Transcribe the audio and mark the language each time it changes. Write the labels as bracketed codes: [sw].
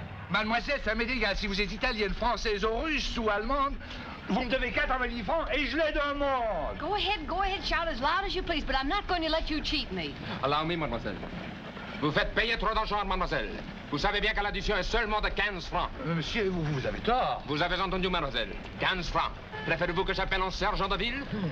[fr] Mademoiselle, ça m'est égal si vous êtes italienne, française ou russe ou allemande. Vous me devez 90 francs et je l'ai dans le monde. [en] Go ahead, shout as loud as you please, but I'm not going to let you cheat me. Allow me, [fr] mademoiselle. Vous faites payer trop d'argent, mademoiselle. Vous savez bien que l'addition est seulement de 15 francs. Monsieur, vous avez tort. Vous avez entendu, mademoiselle. 15 francs. Préférez-vous que j'appelle un sergent de ville?